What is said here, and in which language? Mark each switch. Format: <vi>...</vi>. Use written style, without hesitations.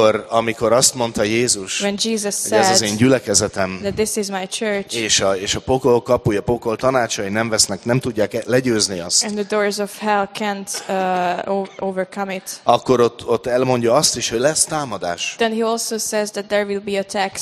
<hu>amikor azt mondta Jézus,</hu> <en>when Jesus</en> <hu>hogy ez az én gyülekezetem,</hu> <en>that this is my church,</en> <hu>és a pokol kapuja, pokol tanácsai nem vesznek, nem tudják legyőzni azt,</hu> <en>and the doors of hell can't, overcome it.</en> <hu>Akkor ott elmondja azt is, hogy lesz támadás.</hu> <en>Then he also says that there will be attacks,</en>